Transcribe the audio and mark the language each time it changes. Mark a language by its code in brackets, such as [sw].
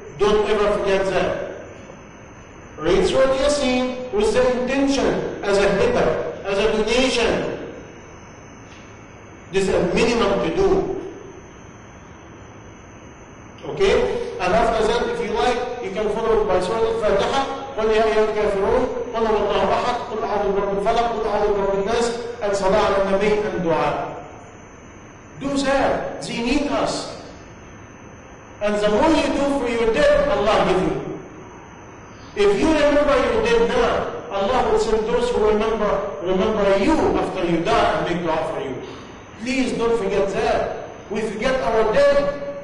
[en] Don't ever forget that. Read Surah Yaseen with the intention, as a hibah, as a donation. This is a minimum to do. Okay? And after that, if you like, you can follow it by Surah Al-Fatiha. [ar] قل يا أيها الكافرون قل هو الله أحد قل أعوذ برب الفلق قل أعوذ برب الناس الصلاة على النبي الدعاء. [en] Do that. They need us. And the more you do for your dead, Allah give you. If you remember your dead now, Allah will send those who remember you after you die and make dua for you. Please don't forget that. We forget our dead.